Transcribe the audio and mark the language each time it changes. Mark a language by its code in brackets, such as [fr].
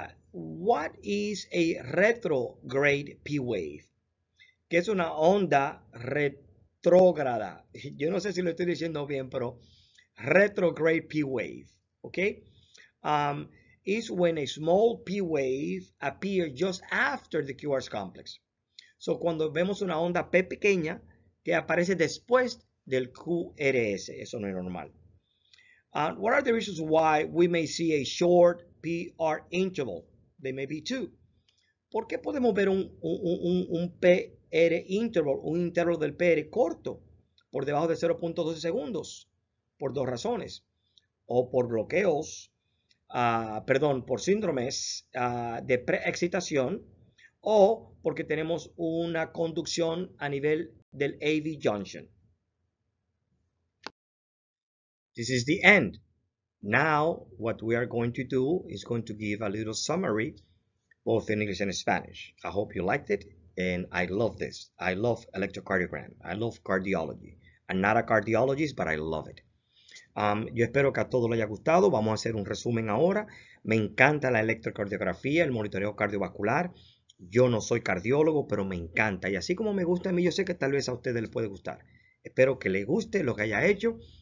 [en] What is a retrograde P wave? [es] Que es una onda retrógrada. Yo no sé si lo estoy diciendo bien, pero [en] retrograde P wave. [es] ¿Ok? [en] Is when a small P wave appears just after the QRS complex. [es] So, cuando vemos una onda P pequeña, que aparece después del QRS. Eso no es normal. [en] What are the reasons why we may see a short PR interval? They may be two. [es] ¿Por qué podemos ver un PR interval, un intervalo del PR corto, por debajo de 0.12 segundos? Por dos razones. O por bloqueos, por síndromes de preexcitación, o porque tenemos una conducción a nivel del AV junction. [en] This is the end. Now, what we are going to do is going to give a little summary, both in English and Spanish. I hope you liked it, and I love this. I love electrocardiogram. I love cardiology. I'm not a cardiologist, but I love it. [es] Yo espero que a todos les haya gustado. Vamos a hacer un resumen ahora. Me encanta la electrocardiografía, el monitoreo cardiovascular. Yo no soy cardiólogo, pero me encanta. Y así como me gusta a mí, yo sé que tal vez a ustedes les puede gustar. Espero que les guste lo que haya hecho.